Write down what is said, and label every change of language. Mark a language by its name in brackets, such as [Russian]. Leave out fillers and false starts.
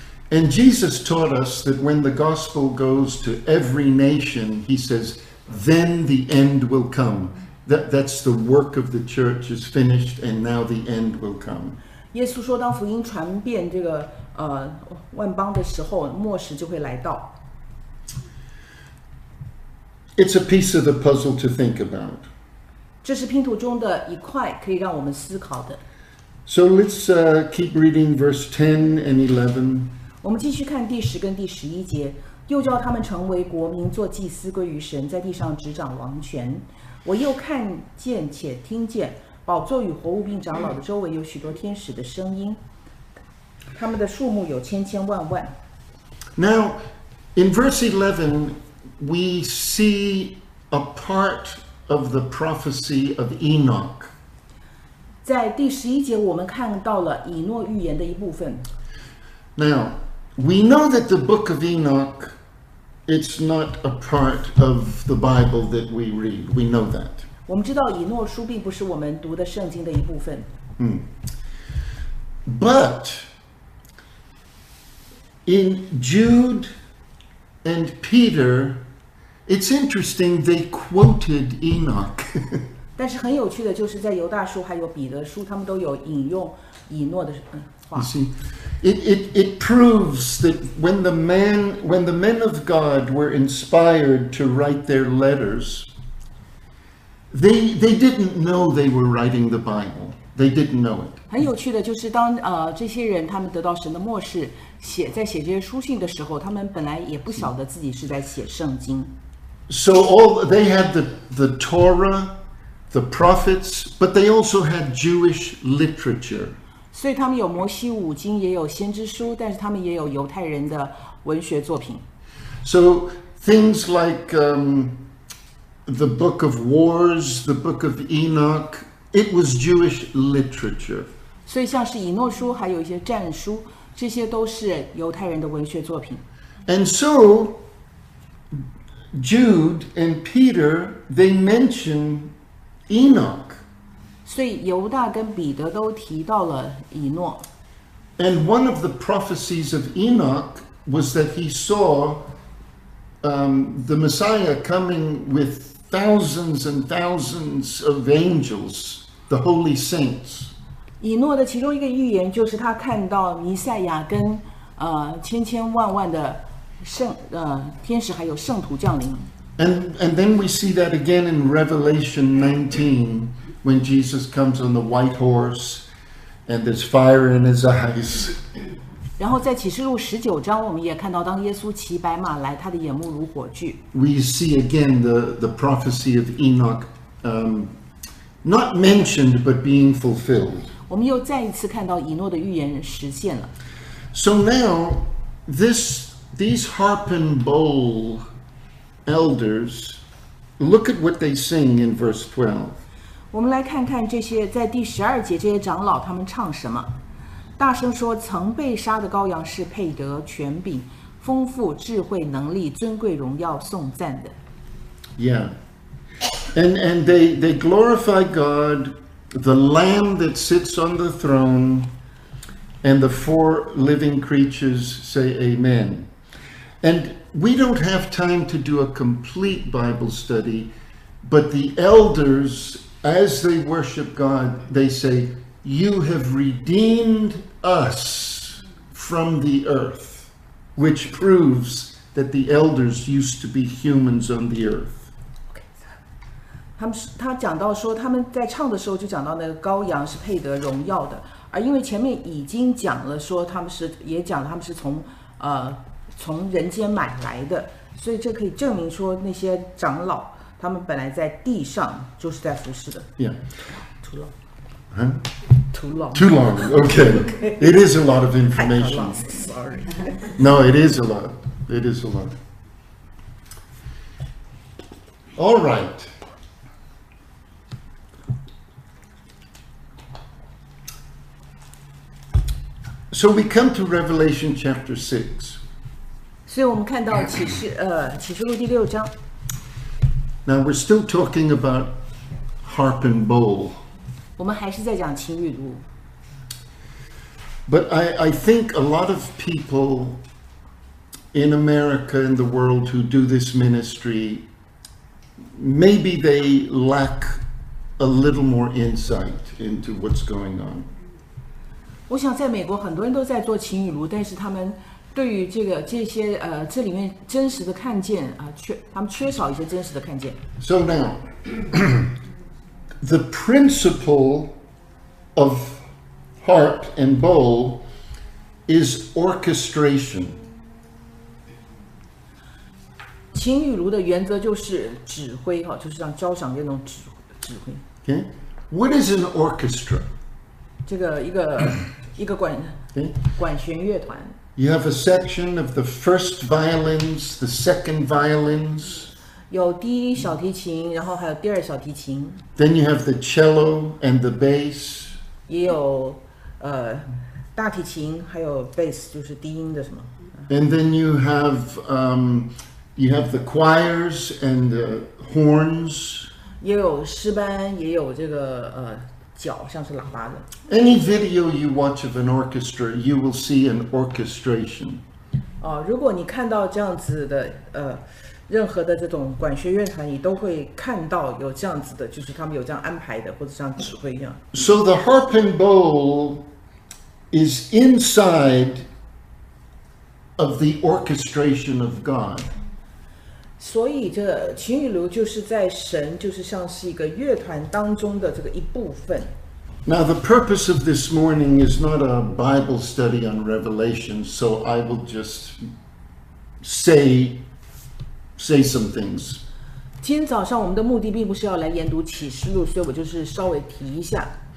[English] And Jesus taught us that when the gospel goes to every nation, he says, then the end will come. That's the work of the church is finished, and now the end will come. [Chinese] 耶稣说，当福音传遍这个万邦的时候，末时就会来到。 [English] It's a piece of the puzzle to think about. [Chinese] 这是拼图中的一块，可以让我们思考的。 [English] So let's keep reading verse 10 and 11. [Chinese] 我们继续看第十跟第十一节，又叫他们成为国民，做祭司，归于神，在地上执掌王权。我又看见且听见宝座与活物并长老的周围有许多天使的声音，他们的数目有千千万万。 [English] Now, in verse 11, we see a part of the prophecy of Enoch. [Chinese] 在第十一节，我们看到了以诺预言的一部分。 [English] Now, we know that the book of Enoch. It's not a part of the Bible that we read. We know that. [Chinese] 我们知道以诺书并不是我们读的圣经的一部分。 [English] But in Jude and Peter, it's interesting they quoted Enoch. [Chinese] 但是很有趣的就是在犹大书还有彼得书，他们都有引用以诺的话。 [English] You see, It proves that when the men of God were inspired to write their letters, they didn't know they were writing the Bible. They didn't know it. [Chinese] 很有趣的就是当这些人他们得到神的默示，在写这些书信的时候，他们本来也不晓得自己是在写圣经。 [English] So all they had the Torah, the prophets, but they also had Jewish literature. [Chinese] 所以他们有摩西五经，也有先知书，但是他们也有犹太人的文学作品。 [English] So things like the Book of Wars, the Book of Enoch, it was Jewish literature. [Chinese] 所以像是以诺书，还有一些战书，这些都是犹太人的文学作品。 [English] And so Jude and Peter, they mention Enoch. [Chinese] 所以犹大跟彼得都提到了以诺。 [English] And one of the prophecies of Enoch was that he saw the Messiah coming with thousands and thousands of angels, the holy saints. [Chinese] 以诺的其中一个预言就是他看到弥赛亚跟千千万万的天使还有圣徒降临。 [English] And then we see that again in Revelation 19. When Jesus comes on the white horse, and there's fire in his eyes. [Chinese] 然后在启示录十九章，我们也看到，当耶稣骑白马来，他的眼目如火炬。 [English] We see again the prophecy of Enoch, not mentioned but being fulfilled. [Chinese] 我们又再一次看到以诺的预言实现了。 [English] So now, these harpen bowl elders, look at what they sing in verse 12. [Chinese] 我们来看看这些在第十二节这些长老他们唱什么，大声说：“曾被杀的羔羊是配得权柄、丰富智慧、能力、尊贵、荣耀、颂赞的。” [English] Yeah, and they glorify God, the Lamb that sits on the throne, and the four living creatures say Amen. And we don't have time to do a complete Bible study, but the elders. As they worship God, they say, "You have redeemed us from the earth," which proves that the elders used to be humans on the earth. [Chinese] Okay, 他讲到说，他们在唱的时候就讲到那个羔羊是配得荣耀的，而因为前面已经讲了说他们是也讲了他们是从人间买来的，所以这可以证明说那些长老。他们本来在地上就是在服侍的。 [English] Yeah. Too long. Huh? Too long. Too long. Okay. Okay. It is a lot of information. Long, sorry. No, it is a lot. It is a lot. All right. So we come to Revelation chapter 6. [Chinese] 所以我们看到启示录第六章。 [English] Now we're still talking about harp and bowl. [Chinese] 我们还是在讲琴与弦。 [English] But I think a lot of people in America and the world who do this ministry, maybe they lack a little more insight into what's going on. [Chinese] 我想在美国很多人都在做琴与弦，但是他们对于这些这里面真实的看见他们缺少一些真实的看见。 [English] So now, the principle of harp and bowl is orchestration. [Chinese] 琴与弦的原则就是指挥就是像交响乐那种指挥。 [English] Okay, what is an orchestra? [Chinese] 这个一个管 管弦乐团。 [English] You have a section of the first violins, the second violins. [Chinese] 有第一小提琴，然后还有第二小提琴。 [English] Then you have the cello and the bass. [Chinese] 也有大提琴，还有 bass 就是低音的什么。 [English] And then you have the choirs and the horns. [Chinese] 也有诗班，也有这个脚像是喇叭的。 [English] Any video you watch of an orchestra, you will see an orchestration. [Chinese] 如果你看到这样子的任何的这种管弦乐团，你都会看到有这样子的，就是他们有这样安排的，或者像指挥一样。 [English] So the harp and bowl is inside of the orchestration of God. [Chinese] 所以这情雨炉就是在神就是像是一个乐团当中的这个一部分。 [English] Now the purpose of this morning is not a Bible study on Revelation, so I will just say some things. [Chinese] 今天早上我们的目的并不是要来研读启示录，所以我就是稍微提一下。